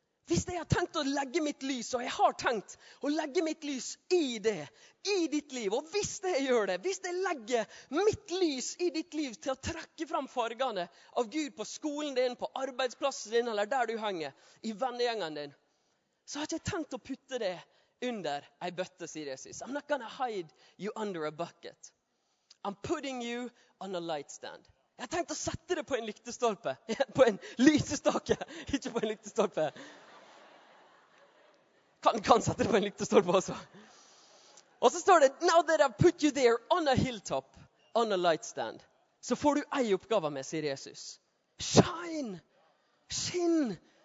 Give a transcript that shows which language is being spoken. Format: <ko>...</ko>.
<no>Hvis jeg har tenkt å legge mitt lys, og jeg har tenkt å legge mitt lys i det, i ditt liv, og hvis jeg gjør det, hvis jeg legger mitt lys i ditt liv til å trekke frem fargene av Gud på skolen din, på arbeidsplassen din, eller der du henger, i vennegjengen din, så har jeg ikke tenkt å putte det under en bøtte, sier Jesus.</no> <en>I'm not gonna hide you under a bucket. I'm putting you on a light stand.</en> <no>Jeg har tenkt å sette det på en lyktestolpe, på en lysestake, ikke på en lyktestolpe. Kan sette det på en lyktestolpe også. Og så står det,</no> <en>now that I've put you there on a hilltop, on a light stand,</en> <no>så får du ei oppgave med, sier Jesus.</no> <en>Shine!</en> <no>Skinn!</no>